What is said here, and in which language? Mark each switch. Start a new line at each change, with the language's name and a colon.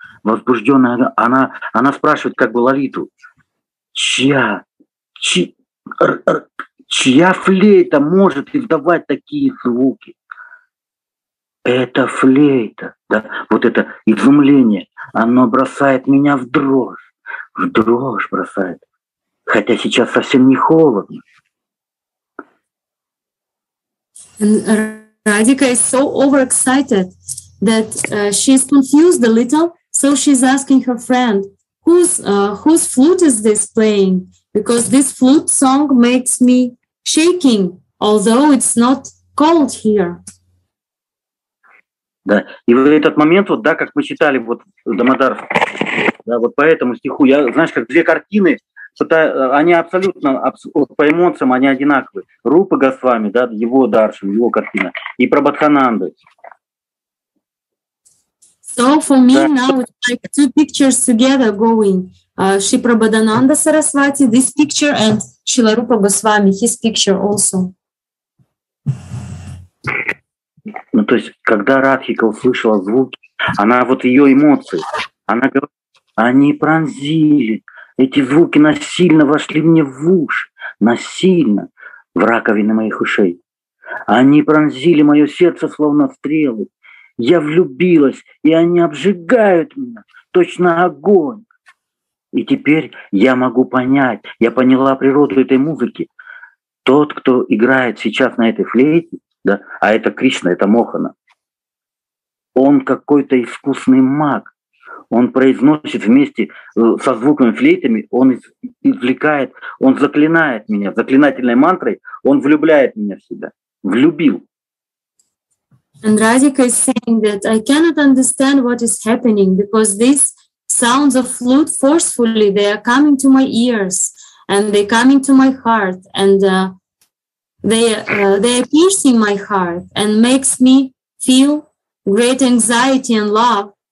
Russian: Возбужденная, она спрашивает как бы Лолиту, чья флейта может издавать такие звуки? Это флейта, да? Вот это изумление, оно бросает меня в дрожь бросает, хотя сейчас совсем не холодно.
English: Radhika is so overexcited that she's confused a little. So she's asking her friend, whose flute is this playing? Because this flute song makes me shaking, although it's not cold here.
Russian: Да, и в этот момент, вот, да, как мы читали, вот, Дамодар, да, вот по этому стиху, я, знаешь, как две картины, они абсолютно, по эмоциям они одинаковы. Рупа Госвами, да, его Даршан, его картина, и Прабхатхананды.
English: So for me now it's like two pictures together going. Shri Prabhadananda Sarasvati, this picture, and Srila Rupa Goswami, his picture also.
Russian: Ну, то есть, когда Радхика услышала звуки, она вот ее эмоции, она говорит, они пронзили, эти звуки насильно вошли мне в уши, насильно в раковины моих ушей. Они пронзили мое сердце, словно стрелы. Я влюбилась, и они обжигают меня, точно огонь. И теперь я могу понять, я поняла природу этой музыки. Тот, кто играет сейчас на этой флейте, да, а это Кришна, это Мохана, он какой-то искусный маг. Он произносит вместе со звуком флейтами, он извлекает, он заклинает меня заклинательной мантрой, он влюбляет меня в себя, влюбил.
English: And Radhika is saying that I cannot understand what is happening because these sounds of flute forcefully they are coming to my ears and they coming to my heart and they are piercing my heart and makes me feel great anxiety and love.